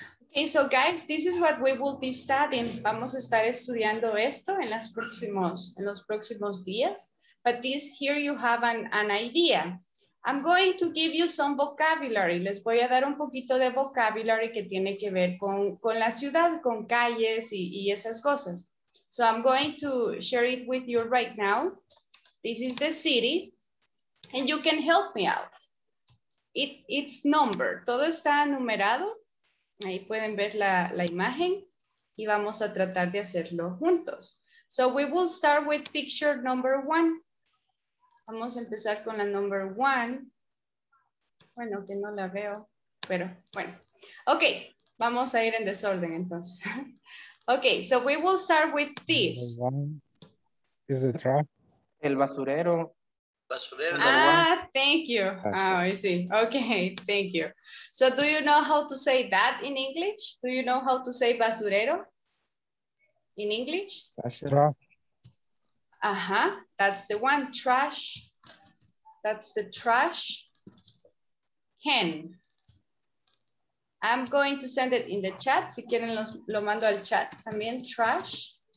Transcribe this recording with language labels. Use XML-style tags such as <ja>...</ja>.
<en>Okay, so guys, this is what we will be studying.</en> <es>Vamos a estar estudiando esto en los próximos días.</es> <en>But this, here you have an idea. I'm going to give you some vocabulary.</en> <es>Les voy a dar un poquito de vocabulary que tiene que ver con la ciudad, con calles y esas cosas.</es> <en>So I'm going to share it with you right now. This is the city. And you can help me out. It's numbered.</en> <es>Todo está numerado. Ahí pueden ver la imagen y vamos a tratar de hacerlo juntos.</es> <en>So we will start with picture number one.</en> <es>Vamos a empezar con la</es> <en>number one.</en> <es>Bueno, que no la veo, pero bueno.</es> <en>Ok,</en> <es>vamos a ir en desorden entonces.</es> <en>Ok, so we will start with this. Is it trap?</en> <es>El basurero. Basurero.</es> <en>Ah, thank you. Ah, oh, I see. Ok, thank you. So do you know how to say that in English? Do you know how to say basurero in English? Trash. Uh-huh, that's the one, trash. That's the trash can. I'm going to send it in the chat.</en> <es>Si quieren lo mando al chat también, trash.</es>